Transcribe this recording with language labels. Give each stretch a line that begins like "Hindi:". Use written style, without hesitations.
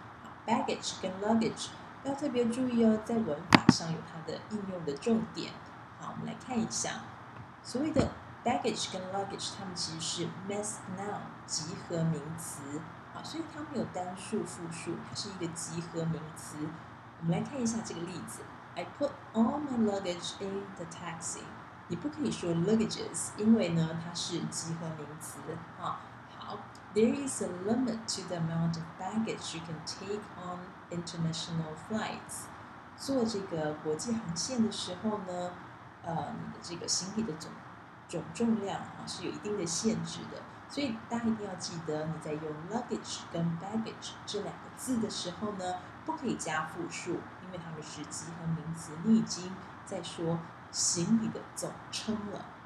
Chinese: 好 ，baggage 跟 luggage 要特别注意哦，在文法上有它的应用的重点。好，我们来看一下，所谓的 baggage 跟 luggage， 它们其实是 mess noun 集合名词。好，所以它没有单数、复数，它是一个集合名词。我们来看一下这个例子。
English: I put all my luggage in the taxi.
Chinese: 你不可以说 luggages， 因为呢它是集合名词。
English: 好 ，There is a limit to the amount of baggage you can take on international flights.
Chinese: 做这个国际航线的时候呢，你的这个行李的总重量啊是有一定的限制的，所以大家一定要记得，你在用 luggage 跟 baggage 这两个字的时候呢，不可以加复数，因为它们是集合名词，你已经在说行李的总称了。